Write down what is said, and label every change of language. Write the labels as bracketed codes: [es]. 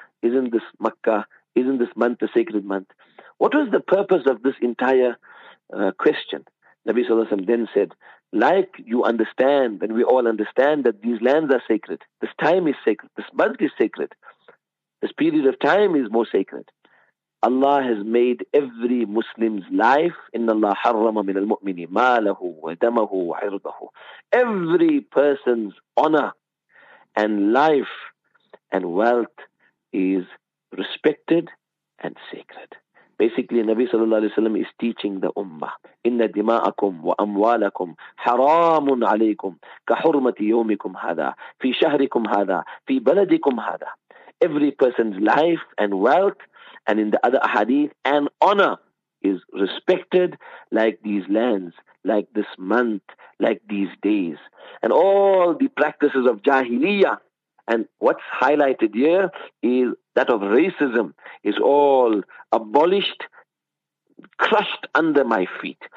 [en] Isn't this Makkah? Isn't this month the sacred month? What was the purpose of this entire question? Nabi Sallallahu Alaihi Wasallam then said, like you understand, and we all understand that these lands are sacred, this time is sacred, this month is sacred, this period of time is more sacred. Allah has made every Muslim's life, [ar] إِنَّ اللَّهَ حَرَّمَ مِنَ الْمُؤْمِنِ مَالَهُ وَدَمَهُ وَعِرْضَهُ. [en] Every person's honor and life and wealth is respected and sacred. Basically, Nabi sallallahu alayhi wa sallam is teaching the ummah, [ar] إِنَّ دِمَاءَكُمْ وَأَمْوَالَكُمْ حَرَامٌ عَلَيْكُمْ كَحُرْمَةِ يَوْمِكُمْ هَذَا فِي شَهْرِكُمْ هَذَا فِي بَلَدِكُمْ هَذَا. [en] Every person's life and wealth, and in the other hadith, and honor is respected like these lands, like this month, like these days. And all the practices of jahiliyyah, and what's highlighted here is that of racism, is all abolished, crushed under my feet.